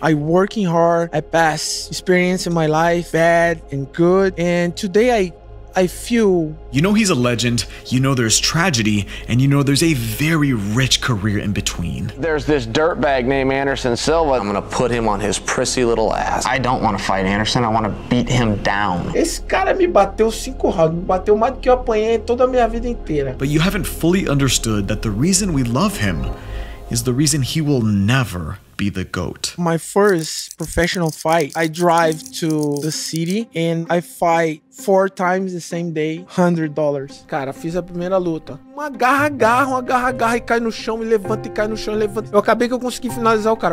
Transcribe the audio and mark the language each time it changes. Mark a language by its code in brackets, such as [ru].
[en] I working hard at best experience in my life, bad and good, and today I feel. You know he's a legend, you know there's tragedy, and you know there's a very rich career in between. There's this dirtbag named Anderson Silva. I'm gonna put him on his prissy little ass. I don't wanna fight Anderson, I wanna beat him down. [pt] Esse cara me bateu 5 rounds, me bateu mais do que eu apanhei toda a minha vida inteira. [en] But you haven't fully understood that the reason we love him is the reason he will never be the GOAT. My first professional fight, I drive to the city and I fight 4 times the same day, $100. [pt] Cara, fiz a primeira luta. Uma garra, e cai no chão, e levanta. Eu acabei que eu consegui finalizar o cara.